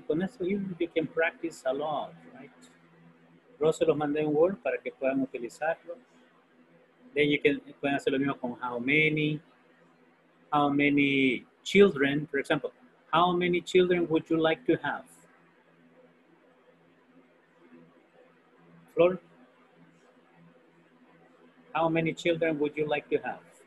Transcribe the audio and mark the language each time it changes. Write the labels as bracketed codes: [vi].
[es] Con eso [en] you can practice a lot, right? [es] Yo se los mandé en Word para que puedan utilizarlo. [en] Then you can [es] pueden hacer lo mismo con [en] how many children, for example, how many children would you like to have? Flor, how many children would you like to have?